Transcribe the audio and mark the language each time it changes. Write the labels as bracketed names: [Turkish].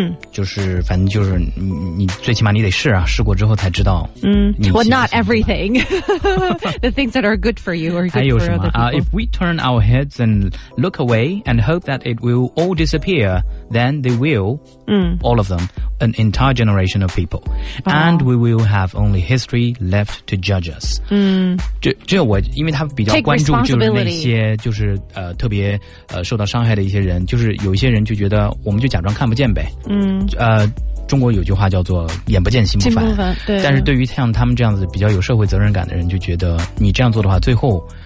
[Chinese] 就是反正就是你最起码你得试啊，试过之后才知道。 [English] Well, not everything. The things that are good for you are good for other people. If we turn our heads and look away and hope that it will all disappear, then they will. All of them. An entire generation of people, and we will have only history left to judge us. [Chinese] 这我因为他比较关注就是那些就是特别受到伤害的一些人，就是有一些人就觉得我们就假装看不见呗。中国有句话叫做眼不见心不烦，对。但是对于像他们这样子比较有社会责任感的人，就觉得你这样做的话，最后